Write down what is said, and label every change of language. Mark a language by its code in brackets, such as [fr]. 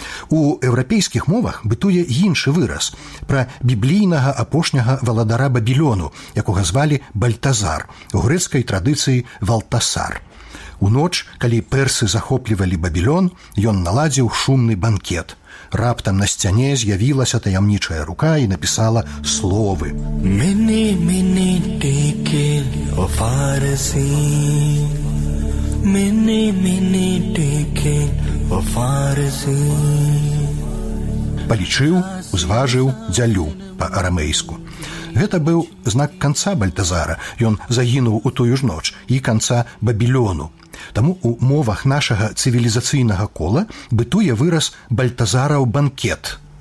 [be] У еўрапейскіх мовах бытуе іншы выраз – пра біблійнага апошняга валадара Бабілёну, якога звалі Бальтазар, у грэцкай традыцыі Валтасар. У ноч, калі персы захоплівалі Бабілён, ён наладзіў шумны банкет. Раптам на сцяне з'явілася таямнічая рука і напісала словы. [arc] Мені, мені, дикель, о фарзі. Мені, мені, дикель, о фарзі. [be] Палічыў, узважыў, дзялю па-арамейску. Гэта быў знак канца Бальтазара. Ён загінуў у тую ж ноч і канца Бабілёну. Таму у мовах нашага цывілізацыйнага кола бытуе выраз «Бальтазараў банкет».